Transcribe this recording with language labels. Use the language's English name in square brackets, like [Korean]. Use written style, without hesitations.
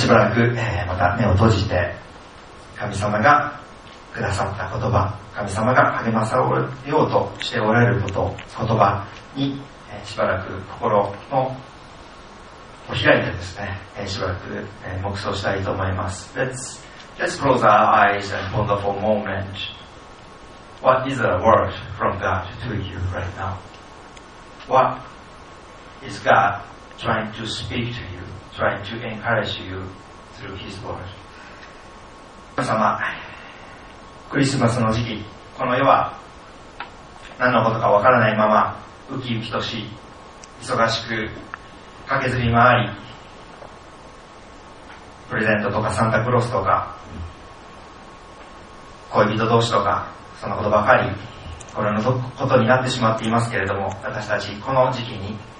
[Japanese] しばらく、また目を閉じて、神様がくださった言葉、神様が励まされようとしておられること、言葉に、しばらく心を開いてですね、しばらく、黙想したいと思います。 [English] Let's close our eyes and ponder for a moment. What is a word from God to you right now? What is God trying to speak to you, trying to encourage you through His word? [Japanese] 皆様、クリスマスの時期、この世は何のことかわからないままウキウキとし、忙しく駆けずり回り、プレゼントとかサンタクロースとか恋人同士とかそのことばかり、これのことになってしまっていますけれども、私たちこの時期に